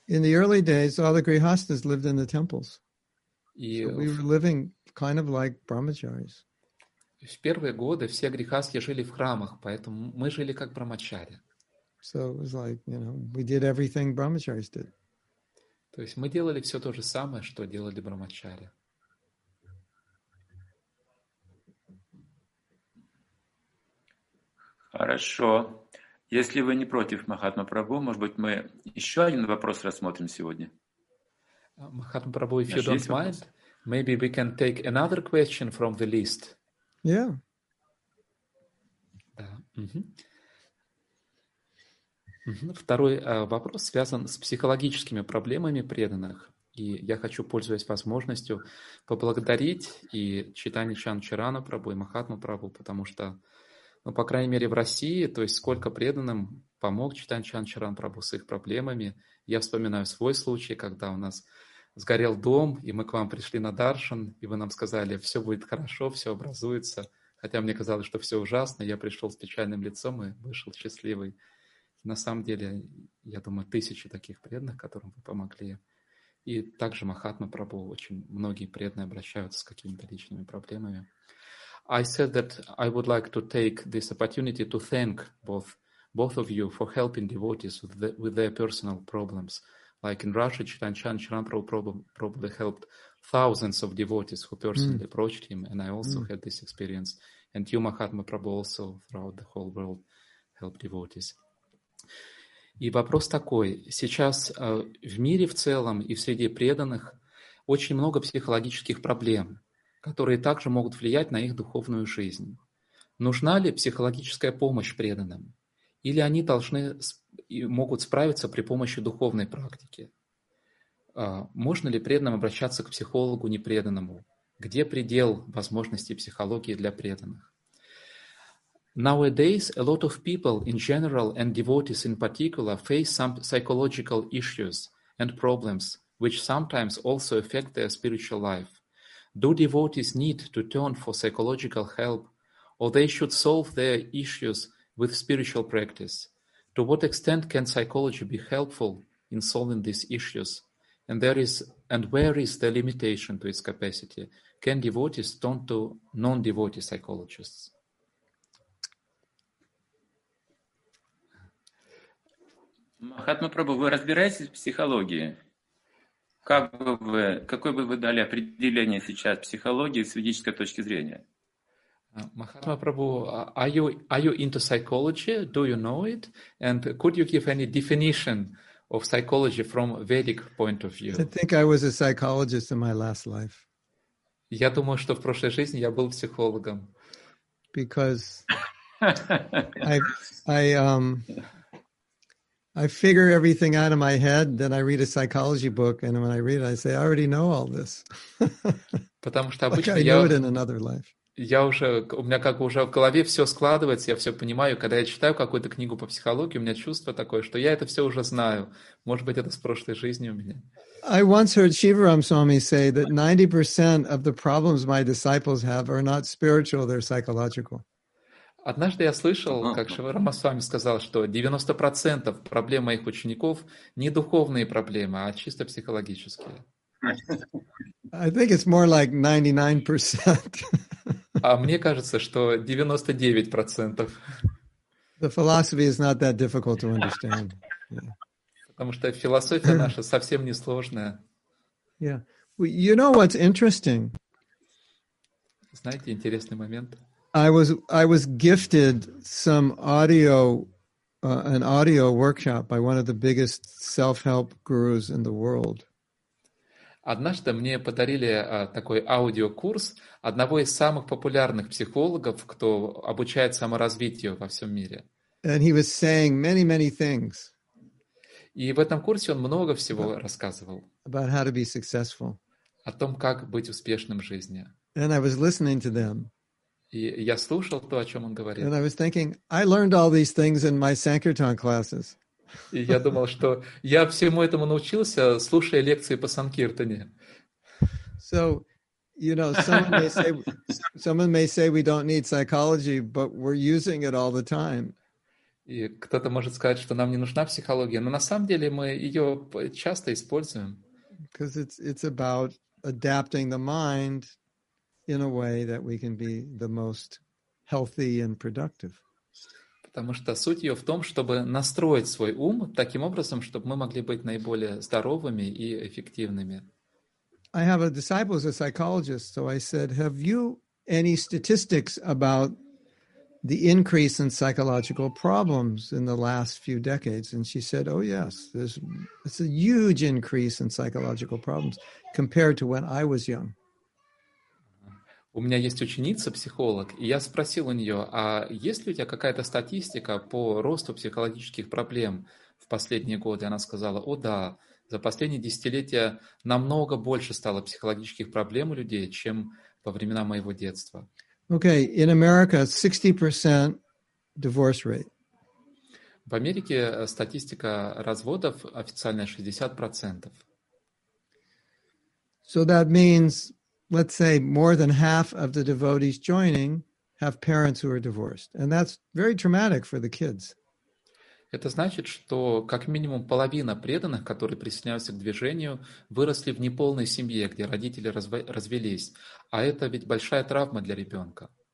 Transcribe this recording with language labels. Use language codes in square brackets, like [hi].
[en] In the early days, all the grihasthas lived in the temples. [ru] И [en] so we were living kind of like brahmacharis. [ru] В первые годы все грихасты жили в храмах, поэтому мы жили как брахмачари. [en] So it was like, you know, we did everything brahmacharis did. [ru] То есть мы делали все то же самое, что делали брахмачари. Хорошо. Если вы не против, Махатма Прабху, может быть, мы еще один вопрос рассмотрим сегодня? [en] Махатма Прабху, if you don't mind, maybe we can take another question from the list. Yeah. [ru] Да. Второй вопрос связан с психологическими проблемами преданных. И я хочу, пользуясь возможностью, поблагодарить и Чайтанью Чанчарану Прабху, и Махатму Прабху, потому что, ну, по крайней мере, в России, то есть сколько преданным помог Чайтанью Чанчарану Прабху с их проблемами. Я вспоминаю свой случай, когда у нас сгорел дом, и мы к вам пришли на даршан, и вы нам сказали, все будет хорошо, все образуется. Хотя мне казалось, что все ужасно, я пришел с печальным лицом и вышел счастливый. На самом деле, я думаю, тысячи таких преданных, которым вы помогли. И также Махатма Прабху, очень многие преданные обращаются с какими-то личными проблемами. [en] I said that I would like to take this opportunity to thank both of you for helping devotees with their personal problems. Like in Russia, Chaitanya Chanchan Prabhu probably helped thousands of devotees who personally approached him, and I also had this experience. And you, Махатма Прабху, also throughout the whole world helped devotees. [ru] И вопрос такой. Сейчас в мире в целом и в среде преданных очень много психологических проблем, которые также могут влиять на их духовную жизнь. Нужна ли психологическая помощь преданным? Или они должны и могут справиться при помощи духовной практики? Можно ли преданным обращаться к психологу непреданному? Где предел возможностей психологии для преданных? [en] Nowadays, a lot of people in general and devotees in particular face some psychological issues and problems, which sometimes also affect their spiritual life. Do devotees need to turn for psychological help, or they should solve their issues with spiritual practice? To what extent can psychology be helpful in solving these issues? And where is the limitation to its capacity? Can devotees turn to non-devotee psychologists? [ru] Махатма Прабху, вы разбираетесь в психологии? Какое бы вы дали определение сейчас психологии с ведической точки зрения? [en] Махатма Прабху, are you into psychology? Do you know it? And could you give any definition of psychology from Vedic point of view? I think I was a psychologist in my last life. [ru] Я думаю, что в прошлой жизни я был психологом. [en] Because I figure everything out in my head, then I read a psychology book, and when I read it, I say, I already know all this. [ru] Потому что обычно [en] like I know it in another life. [ru] Я уже, у меня как бы уже в голове все складывается, я все понимаю. Когда я читаю какую-то книгу по психологии, у меня чувство такое, что я это все уже знаю. Может быть, это с прошлой жизни у меня. [en] I once heard Shivaram Swami say that 90% of the problems my disciples have are not spiritual, they're psychological. [ru] Однажды я слышал, как Шиварама Свами сказал, что 90% проблем моих учеников не духовные проблемы, а чисто психологические. [en] I think it's more like 99%. [ru] А мне кажется, что 99%. [en] The philosophy is not that difficult to understand. [ru] Потому что философия наша совсем не сложная. [en] Yeah. Well, you know what's interesting? [ru] Знаете, интересный момент. [en] I was gifted some audio, an audio workshop by one of the biggest self-help gurus in the world. [ru] Однажды мне подарили такой аудиокурс одного из самых популярных психологов, кто обучает саморазвитию во всем мире. [en] And he was saying many, many things. [ru] И в этом курсе он много всего рассказывал. [en] About how to be successful. [ru] О том, как быть успешным в жизни. [en] And I was listening to them. [ru] И я слушал то, о чем он говорит. [en] And I was thinking, I learned all these things in my Sankirtan classes. [ru] И я думал, что я всему этому научился, слушая лекции по санкиртане. [en] So, you know, someone may say we don't need psychology, but we're using it all the time. [ru] И кто-то может сказать, что нам не нужна психология, но на самом деле мы ее часто используем. [en] Because it's about adapting the mind in a way that we can be the most healthy and productive. [ru] Потому что суть ее в том, чтобы настроить свой ум таким образом, чтобы мы могли быть наиболее здоровыми и эффективными. [en] I have a disciple who's a psychologist, so I said, have you any statistics about the increase in psychological problems in the last few decades? And she said, oh yes, it's a huge increase in psychological problems compared to when I was young. [ru] У меня есть ученица, психолог, и я спросил у нее, а есть ли у тебя какая-то статистика по росту психологических проблем в последние годы? Она сказала, о да, За последние десятилетия намного больше стало психологических проблем у людей, чем во времена моего детства. [en] Okay, in America 60% divorce rate. [ru] В Америке статистика разводов официальная 60%. [en] So that means, let's say, more than half of the devotees joining have parents who are divorced. And that's very traumatic for the kids. [ru] Это значит, что как минимум половина преданных, которые присоединяются к движению, выросли в неполной семье, где родители развелись. А это ведь большая травма для ребенка.